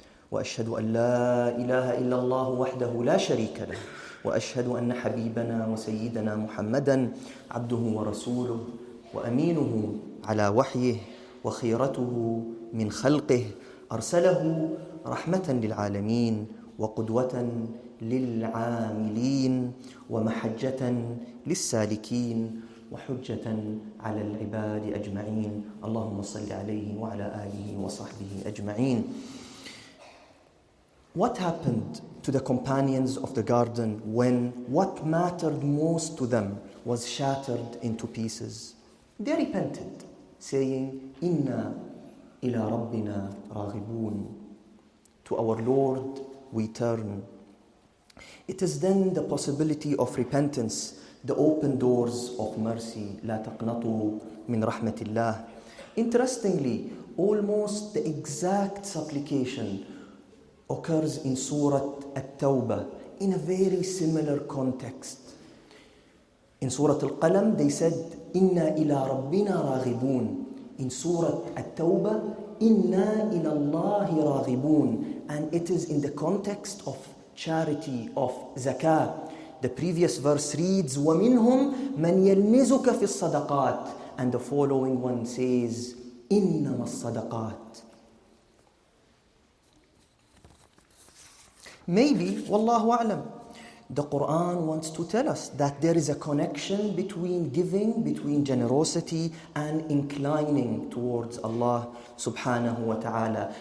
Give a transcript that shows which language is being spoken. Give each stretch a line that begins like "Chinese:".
Arabic: وأشهد أن لا إله إلا الله وحده لا شريك له، وأشهد أن حبيبنا وسيدنا محمدًا عبده ورسوله وأمينه على وحيه وخيرته من خلقه، أرسله رحمة للعالمين وقدوة للعاملين ومحجة للسالكين وحجة على العباد أجمعين. اللهم صل عليه وعلى آله وصحبه أجمعين.
English: What happened to the companions of the garden when what mattered most to them was shattered into pieces? They repented, saying,
Arabic: "Inna ila Rabbina raghibun."
English: To our Lord we turn. It is then the possibility of repentance, the open doors of mercy.
Arabic: لا تقنطوا من رحمة الله.
English: Interestingly, almost the exact supplication occurs in Surah At-Tawbah in a very similar context. In Surah Al-Qalam, they said,
Arabic: إنا إلى ربنا راغبون.
English: In Surah At-Tawbah,
Arabic: إنا إلى الله راغبون.
English: And it is in the context of charity, of zakah. The previous verse reads,
Arabic: وَمِنْهُمْ مَنْ يَلْمِزُكَ فِي الصَّدَقَاتِ.
English: And the following one says,
Arabic: إِنَّمَا الصَّدَقَاتِ.
English: Maybe,
Arabic: وَاللَّهُ أَعْلَمُ,
English: the Quran wants to tell us that there is a connection between giving, between generosity and inclining towards Allah subhanahu wa ta'ala.